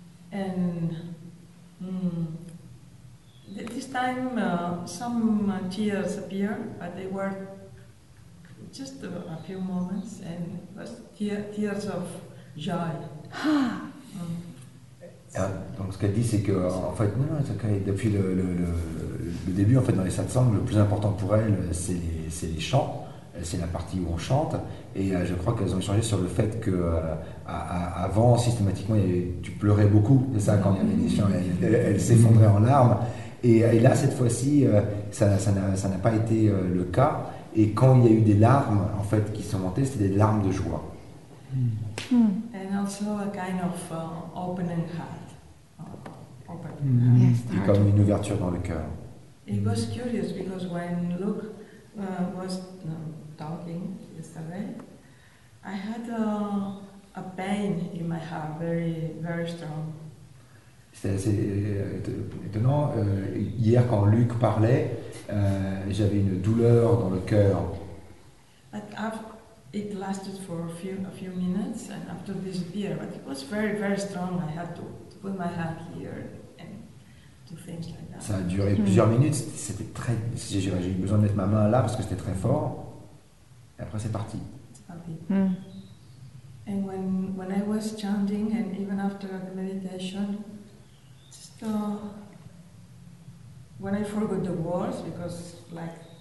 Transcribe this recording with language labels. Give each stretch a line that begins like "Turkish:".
English: And this time some tears appeared, but they were just a few moments, and it was tears of joy.
French: Donc ce qu'elle dit, c'est que en fait, non, c'est okay. Depuis le début, en fait, dans les satsangs, le plus important pour elle, c'est les chants, c'est la partie où on chante. Et je crois qu'elles ont échangé sur le fait que avant, systématiquement, tu pleurais beaucoup, c'est ça, quand il y avait des chants, elle s'effondrait en larmes. Et là, cette fois-ci, ça n'a pas été le cas. Et quand il y a eu des larmes, en fait, qui sont montées, c'était des larmes de joie.
English: And also a kind of opening heart.
French: Et comme une ouverture dans le cœur.
English: It was curious because when Luke was talking yesterday, I had a pain in my heart, very, very strong.
French: C'est assez étonnant. Hier, quand Luke parlait, j'avais une douleur dans le cœur.
English: It lasted for a few minutes and after disappeared, but it was very, very strong. I had to put my hand here and do things like that.
French: Ça a duré plusieurs minutes. C'était très. J'ai eu besoin de mettre ma main là parce que c'était très fort. Et après, c'est parti.
English: And when I was chanting and even after the meditation, just when I forgot the words because like